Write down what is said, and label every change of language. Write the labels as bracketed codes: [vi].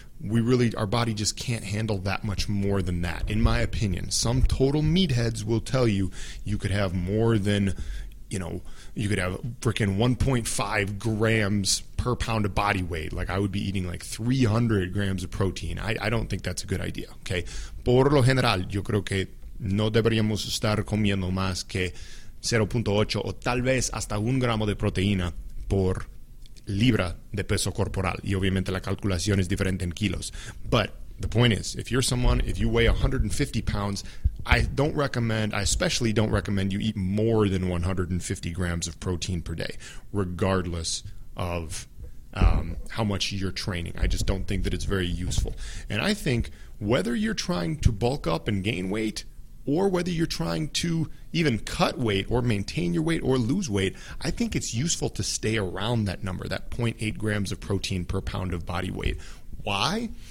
[en] We really, our body just can't handle that much more than that, in my opinion. Some total meatheads will tell you could have more than, you could have freaking 1.5 grams per pound of body weight. Like, I would be eating like 300 grams of protein. I don't think that's a good idea, okay? [es] Por lo general, yo creo que no deberíamos estar comiendo más que 0.8 o tal vez hasta un gramo de proteína por libra de peso corporal. Y obviamente la calculación es diferente en kilos. [en] But the point is, if you're someone, if you weigh 150 pounds, I especially don't recommend you eat more than 150 grams of protein per day, regardless of how much you're training. I just don't think that it's very useful. And I think whether you're trying to bulk up and gain weight, or whether you're trying to even cut weight or maintain your weight or lose weight, I think it's useful to stay around that number, that 0.8 grams of protein per pound of body weight. Why?